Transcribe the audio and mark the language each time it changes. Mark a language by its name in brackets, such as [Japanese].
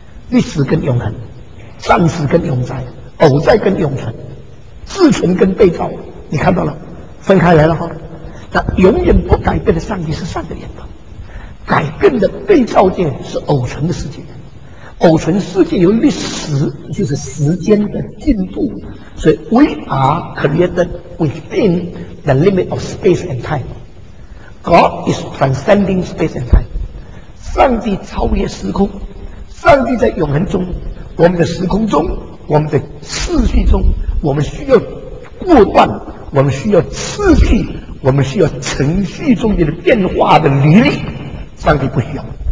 [Chinese] 历史跟永恒，暂时跟永在，偶在跟永存，自存跟被造，你看到了，分开来了哈。那永远不改变的上帝是上帝的眼光，改变的被造界是偶存的世界。偶存世界由历史，就是时间的进步。所以 [English] we are created within the limit of space and time. God is transcending space and time. [Chinese] 上帝超越时空，上帝在永恒中，我们的时空中，我们的次序中，我们需要过段，我们需要次序，我们需要程序中间的变化的履历，上帝不需要。